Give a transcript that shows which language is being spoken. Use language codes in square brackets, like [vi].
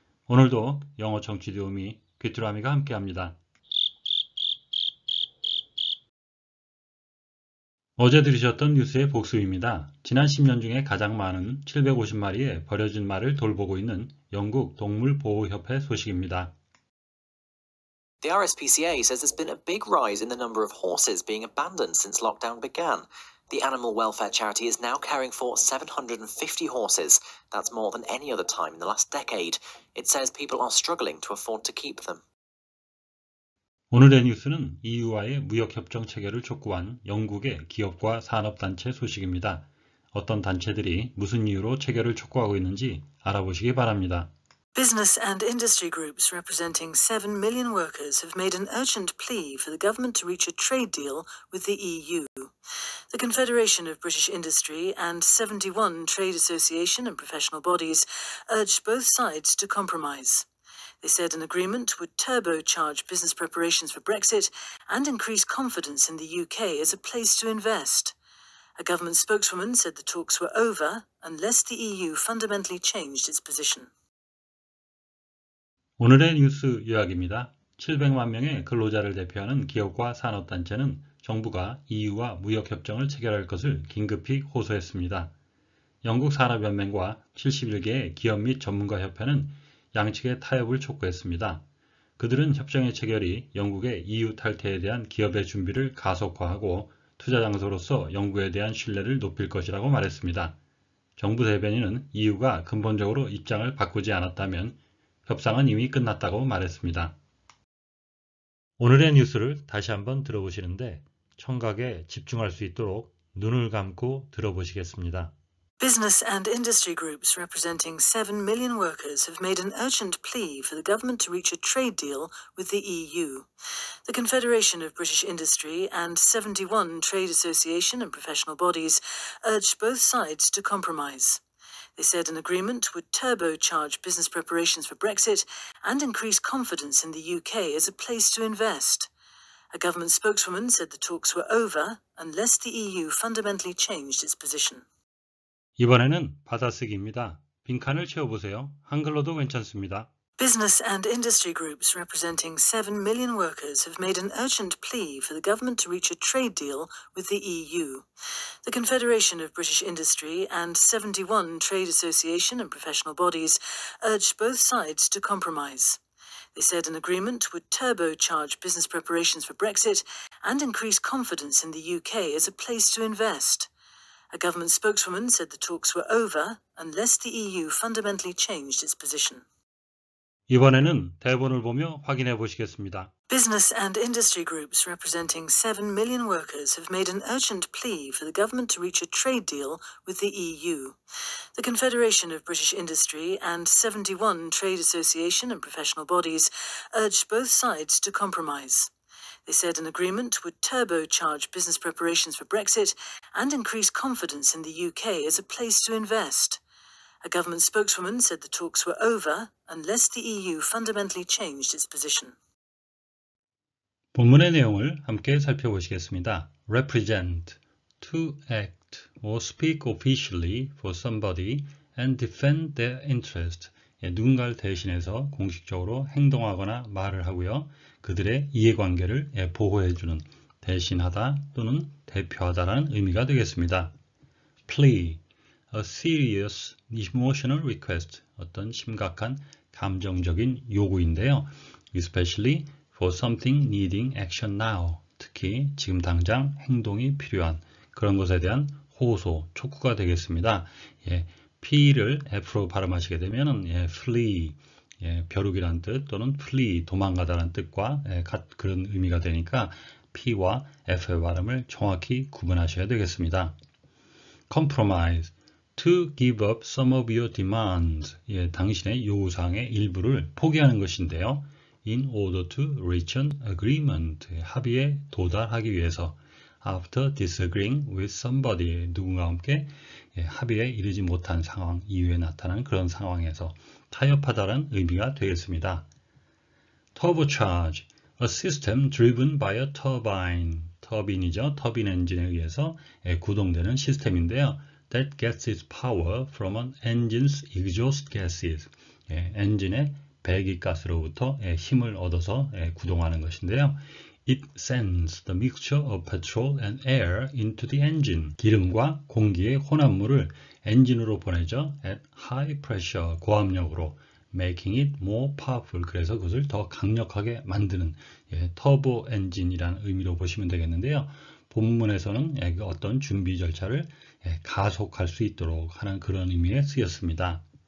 [ko] 오늘도 영어 청취 도우미 귀뚜라미가 함께합니다. 어제 들으셨던 뉴스의 복습입니다. 지난 10년 중에 가장 많은 750마리의 버려진 말을 돌보고 있는 영국 동물보호협회 소식입니다. [en] The RSPCA says there's been a big rise in the number of horses being abandoned since lockdown began. The animal welfare charity is now caring for 750 horses. That's more than any other time in the last decade. It says people are struggling to afford to keep them. [ko] 오늘의 뉴스는 EU와의 무역협정 체결을 촉구한 영국의 기업과 산업단체 소식입니다. 어떤 단체들이 무슨 이유로 체결을 촉구하고 있는지 알아보시기 바랍니다. [en] Business and industry groups representing 7 million workers have made an urgent plea for the government to reach a trade deal with the EU. The Confederation of British Industry and 71 trade association and professional bodies urged both sides to compromise. They said an agreement would turbocharge business preparations for Brexit and increase confidence in the UK as a place to invest. A government spokeswoman said the talks were over unless the EU fundamentally changed its position. [ko] 오늘의 뉴스 요약입니다. 700만 명의 근로자를 대표하는 기업과 산업단체는 정부가 EU와 무역협정을 체결할 것을 긴급히 호소했습니다. 영국산업연맹과 71개의 기업 및 전문가협회는 양측의 타협을 촉구했습니다. 그들은 협정의 체결이 영국의 EU 탈퇴에 대한 기업의 준비를 가속화하고 투자 장소로서 영국에 대한 신뢰를 높일 것이라고 말했습니다. 정부 대변인은 EU가 근본적으로 입장을 바꾸지 않았다면 협상은 이미 끝났다고 말했습니다. 오늘의 뉴스를 다시 한번 들어보시는데, 청각에 집중할 수 있도록 눈을 감고 들어보시겠습니다. [en] Business and industry groups representing 7 million workers have made an urgent plea for the government to reach a trade deal with the EU. The Confederation of British Industry and 71 trade association and professional bodies urged both sides to compromise. They said an agreement would turbocharge business preparations for Brexit and increase confidence in the UK as a place to invest. A government spokeswoman said the talks were over unless the EU fundamentally changed its position. [ko] 이번에는 받아쓰기입니다. 빈칸을 채워보세요. 한글로도 괜찮습니다. [en] Business and industry groups representing 7 million workers have made an urgent plea for the government to reach a trade deal with the EU. The Confederation of British Industry and 71 trade association and professional bodies urged both sides to compromise. They said an agreement would turbocharge business preparations for Brexit and increase confidence in the UK as a place to invest. A government spokeswoman said the talks were over unless the EU fundamentally changed its position. [ko] 이번에는 대본을 보며 확인해 보시겠습니다. [en] Business and industry groups representing 7 million workers have made an urgent plea for the government to reach a trade deal with the EU. The Confederation of British Industry and 71 trade association and professional bodies urged both sides to compromise. They said an agreement would turbocharge business preparations for Brexit and increase confidence in the UK as a place to invest. A government spokeswoman said the talks were over unless the EU fundamentally changed its position. [ko] 본문의 내용을 함께 살펴보시겠습니다. [en] Represent, to act or speak officially for somebody and defend their interest. [ko] 누군가를 대신해서 공식적으로 행동하거나 말을 하고요. 그들의 이해관계를 보호해주는 대신하다 또는 대표하다라는 의미가 되겠습니다. [en] Plea, a serious emotional request. [ko] 어떤 심각한 감정적인 요구인데요. [en] Especially for something needing action now. [ko] 특히 지금 당장 행동이 필요한 그런 것에 대한 호소, 촉구가 되겠습니다. 예, P를 F로 발음하시게 되면은 예, flee, 예, 벼룩이란 뜻 또는 flee, 도망가다란 뜻과 예, 그런 의미가 되니까 P와 F의 발음을 정확히 구분하셔야 되겠습니다. [en] Compromise, to give up some of your demands. [ko] 예, 당신의 요구사항의 일부를 포기하는 것인데요. [en] In order to reach an agreement, [ko] 합의에 도달하기 위해서, [en] after disagreeing with somebody, [ko] 누군가와 함께 합의에 이르지 못한 상황 이후에 나타난 그런 상황에서 타협하다는 의미가 되겠습니다. Turbocharge, [en] A system driven by a turbine. [ko] 터빈이죠. 터빈 엔진에 의해서 구동되는 시스템인데요. [en] That gets its power from an engine's exhaust gases. [ko] 엔진의 배기 가스로부터 힘을 얻어서 구동하는 것인데요. [en] It sends the mixture of petrol and air into the engine. [ko] 기름과 공기의 혼합물을 엔진으로 보내죠. [en] At high pressure, [ko] 고압력으로. [en] Making it more powerful. [ko] 그래서 그것을 더 강력하게 만드는 터보 엔진이라는 의미로 보시면 되겠는데요. 본문에서는 어떤 준비 절차를 가속할 수 있도록 하는 그런 의미에 쓰였습니다.